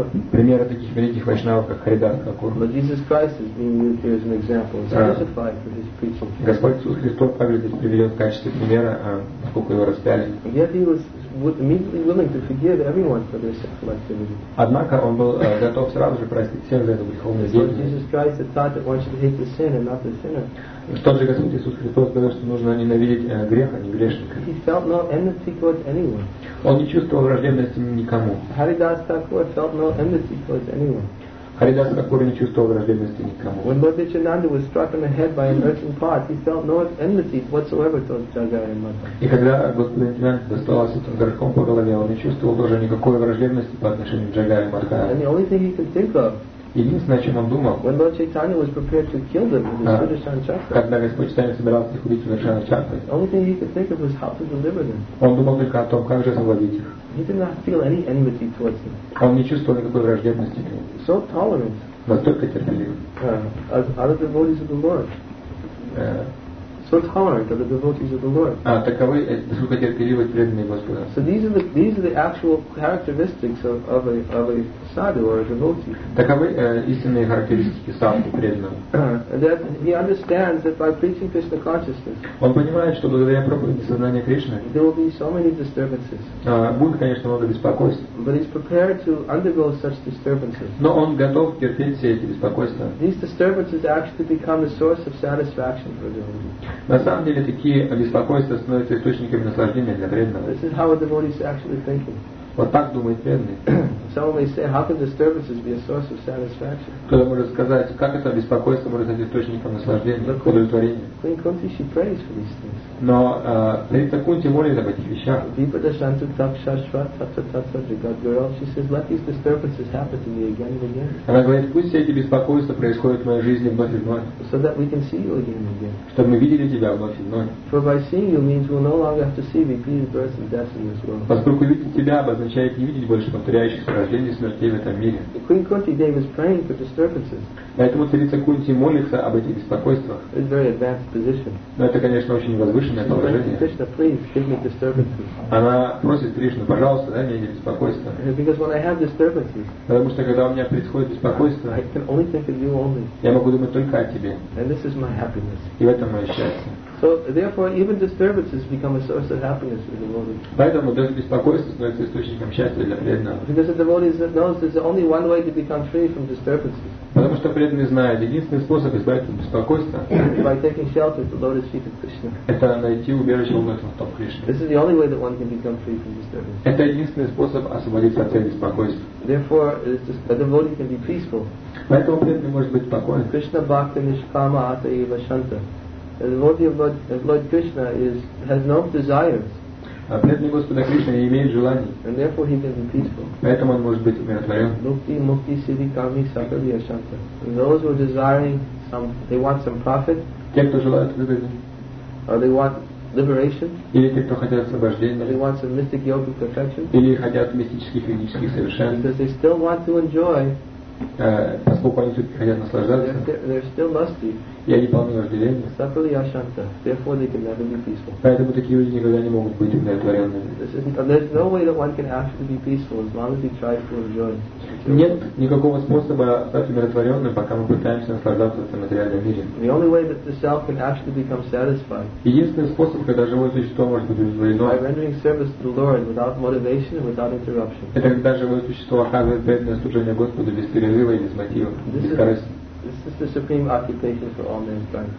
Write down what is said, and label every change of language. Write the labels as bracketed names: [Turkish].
[Russian] Примеры таких великих вайшнавов, как Харидас Такур. Господь Иисус Христос также здесь приведен в качестве примера, сколько его распяли. [English] Would immediately willing to forgive everyone for their sexual activity. [Russian] Однако он был готов сразу же простить всех за эту греховную деятельность. [English] Jesus Christ had taught that one should hate the sin and not the sinner. [Russian] В том же Господь Иисус Христос сказал, что нужно ненавидеть грех, а не грешника. [English] He felt no enmity towards anyone. [Russian] Он не чувствовал враждебности никому. [English] Haridas Thakur felt no enmity towards anyone. [Russian] Харидас Такур не чувствовал враждебности никому. [English] When Lord Nityananda was struck in the head by an earthen pot, he felt no enmity whatsoever towards Jagannatha Mata. [Russian] И когда Господь Нитинанда доставался этим горшком по голове, он не чувствовал даже никакой враждебности по отношению к Джагаймата. [English] And the only thing he could think of. [Russian] Единственное, о чем он думал. [English] When Lord Chaitanya was prepared to kill them with his Sudarshan Chakra. [Russian] Когда Господь Чайтанья собирался их убить Сударшан Чакрой. [English] The only thing he could think of was how to deliver them. [Russian] Он думал только о том, как же освободить их. [English] He did not feel any enmity towards them. [Russian] Он не чувствовал никакой враждебности к ним. [English] So tolerant. [Russian] Настолько терпелив. [English] As other devotees of the Lord. So tolerant are the devotees of the Lord. [Russian] Таковы, насколько терпеливы преданные Господа. [English] So these are the actual characteristics of a sadhu or a devotee. [Russian] Таковы истинные характеристики садху преданного. [English] That he understands that by preaching Krishna consciousness. [Russian] Он понимает, что благодаря проповеди сознания Кришны. [English] There will be so many disturbances. [Russian] Будет, конечно, много беспокойств. [English] But he's prepared to undergo such disturbances. [Russian] Но он готов терпеть все эти беспокойства. [English] These disturbances actually become the source of satisfaction for a devotee. [Russian] На самом деле такие беспокойства становятся источниками наслаждения для преданного. [English] This is how a devotee is actually thinking. [Russian] Вот так думает преданный. [English] Some may say, how can disturbances be a source of satisfaction? [Russian] Кто-то может сказать, как это беспокойство может стать источником наслаждения, удовлетворения? [English] Queen Kunti, she prays for these things. [Russian] Но Рита Кунти молит об этих вещах. Vipada Shantu Takshashva Tatsatatsa Jagad Girl. [English] She says, let these disturbances happen to me again and again. [Russian] Она говорит, пусть все эти беспокойства происходят в моей жизни вновь и вновь. [English] So that we can see you again and again. [Russian] Чтобы мы видели тебя вновь и вновь. [English] For by seeing you means we'll no longer have to see repeated births and deaths in this world. [Russian] Поскольку видеть тебя обозначает не видеть больше повторяющихся рождений и смертей в этом мире. [English] Queen Kunti Devi is praying for disturbances. [Russian] Поэтому Рита Кунти молится об этих беспокойствах. [English] It's a very advanced position. [Russian] Но это, конечно, очень возвышенное. [English] Krishna, please give me disturbances. [Russian] Она просит Кришну, пожалуйста, дай мне эти беспокойства. [English] Because when I have disturbances, [Russian] потому что когда у меня происходит беспокойство, [English] I can only think of you only. [Russian] Я могу думать только о тебе. [English] And this is my happiness. [Russian] И в этом мое счастье. [English] So therefore, even disturbances become a source of happiness for the devotee. [Russian] Поэтому даже беспокойство становится источником счастья для преданного. [English] Because the devotee knows there's only one way to become free from disturbances. [Russian] Потому что преданный знает, единственный способ избавиться от беспокойства [English] by taking shelter at the lotus feet of Krishna. [Russian] Это найти убежище у лотосных стоп Кришны. [English] This is the only way that one can become free from disturbances. [Russian] Это единственный способ освободиться от всех беспокойств. [English] Therefore, a devotee can be peaceful. [Russian] Поэтому преданный может быть спокоен. [Bangla] Krishna bhakti nishkama ata eva shanta. [English] A devotee of Lord Krishna has no desires. [Russian] А преданный Господа Кришна не имеет желаний. [English] And therefore he can be peaceful. [Russian] Поэтому он может быть умиротворен. [Bangla] Mukti, mukti, siddhi, kami, sakali, ashanta. [English] Those who are desiring some, they want some profit. [Russian] Те, кто желает выгоды. [English] Or they want liberation? [Russian] Или те, кто хотят освобождения? [English] Or they want some mystic yogic perfection? [Russian] Или хотят мистических йогических совершенств? [English] Because they still want to enjoy. [Russian] Поскольку они все-таки хотят наслаждаться. [English] They're still lusty. [Russian] И они полны вожделения. [English] Suffer the ashanta. Therefore, they can never be peaceful. [Russian] Поэтому такие люди никогда не могут быть умиротворенными. [English] There's no way that one can actually be peaceful as long as he tries to enjoy. [Russian] Нет никакого способа стать умиротворенным, пока мы пытаемся наслаждаться этим материальным миром. [English] The only way that the self can actually become satisfied. [Russian] Единственный способ, когда живое существо может быть удовлетворено. [English] By rendering service to the Lord without motivation and without interruption. [Russian] Это когда живое существо оказывает преданное служение Господу без перерыва и без мотива, без корысти. [English] This is the supreme occupation for all mankind.